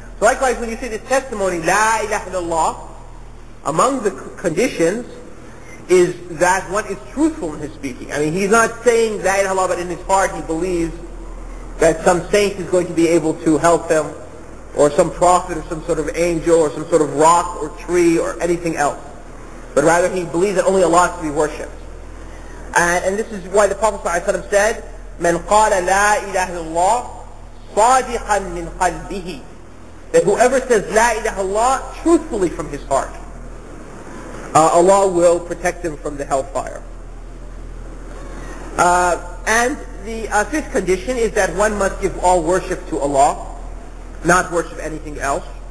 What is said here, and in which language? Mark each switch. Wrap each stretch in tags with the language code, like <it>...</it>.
<en>So likewise, when you say the testimony, La ilaha illallah, among the conditions is that one is truthful in his speaking. I mean, he's not saying La ilaha illallah, but in his heart he believes that some saint is going to be able to help him, or some prophet, or some sort of angel, or some sort of rock, or tree, or anything else. But rather, he believes that only Allah is to be worshipped. And this is why the Prophet ﷺ said,</en> <ar>مَنْ قَالَ لَا إِلَهَ اللَّهُ صَادِقًا مِنْ قَلْبِهِ.</ar> <en>That whoever says La ilaha illallah truthfully from his heart, Allah will protect him from the hellfire. And the fifth condition is that one must give all worship to Allah, not worship anything else.</en>